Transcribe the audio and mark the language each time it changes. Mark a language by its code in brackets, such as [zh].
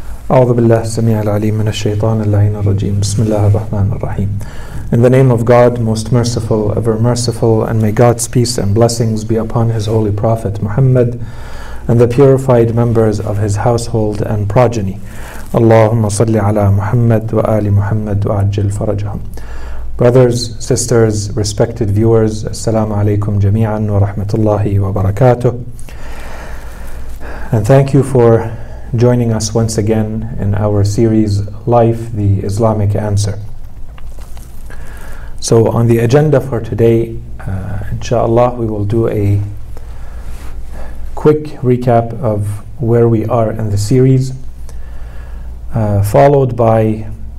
[ar] أعوذ بالله السميع العليم من الشيطان اللعين الرجيم بسم الله الرحمن الرحيم. [en] In the name of God, most merciful, ever merciful, and may God's peace and blessings be upon His holy prophet Muhammad and the purified members of his household and progeny. [ar] اللهم صل على محمد وآل محمد وعجل فرجهم. [en] Brothers, sisters, respected viewers, [ar] السلام عليكم جميعا ورحمة الله وبركاته. [en] And thank you for joining us once again in our series, Life, the Islamic Answer. So on the agenda for today, inshallah, we will do a quick recap of where we are in the series, followed by